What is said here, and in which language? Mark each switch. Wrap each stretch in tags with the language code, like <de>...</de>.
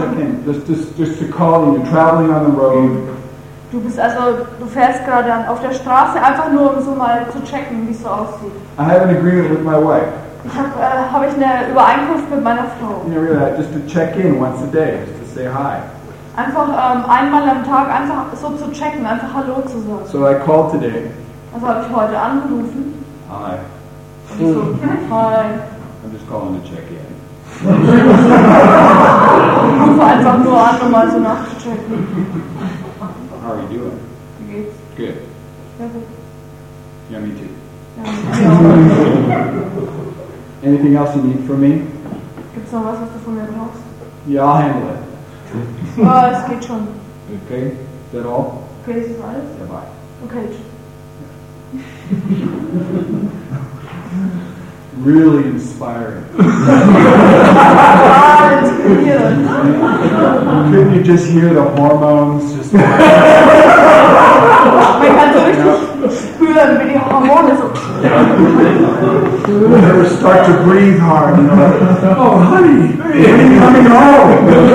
<en>Check in, just to call you, you're traveling on the road.</en> <de>Du bist also, du fährst gerade auf der Straße, einfach nur um so mal zu checken, wie es so aussieht.</de> <en>I have an agreement with my wife.</en> <de>Habe ich eine Übereinkunft mit meiner Frau.</de> <en>You know, really, just to check in once a day, just to say hi.</en> <de>Einfach einmal am Tag einfach so zu checken, einfach Hallo zu sagen.</de> <en>So I called today.</en> <de>Also habe ich heute angerufen.</de> <en>Hi. Hi. I'm just calling to check in.</en> <de>Ich rufe einfach nur an, um mal so nachzuchecken.</de> <en>How are you doing?</en> <de>Wie geht's?</de> <en>Good. Yeah, me too. Anything else you need from me?</en> <de>Gibt's noch was, was du von mir brauchst?</de> <en>Yeah, I'll handle it.</en> <de>Oh, es geht schon.</de> <en>Okay, is that all?</en> <de>Okay, ist das alles?</de> <en>Yeah, bye. Okay. Really inspiring. Couldn't you just hear the hormones just</en> <de>Man kann so richtig spüren, wie die Hormone so...</de> <en>Whenever I start to breathe hard, you know, oh, honey, you're coming home.</en>